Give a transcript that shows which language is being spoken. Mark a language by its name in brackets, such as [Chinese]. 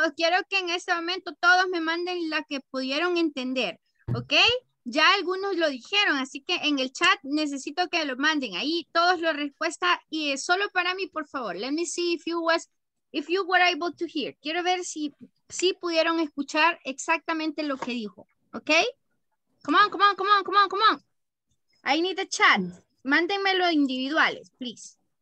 [Spanish] Quiero que en este momento todos me manden la que pudieron entender. Okay? Ya algunos lo dijeron, así que en el chat necesito que lo manden. Ahí todos la respuesta y solo para mí, por favor. [English] Let me see if you were able to hear. [Spanish] Quiero ver si pudieron escuchar exactamente lo que dijo. [English] Okay? Come on. I need the chat. [Spanish] Mándenmelo individuales, please.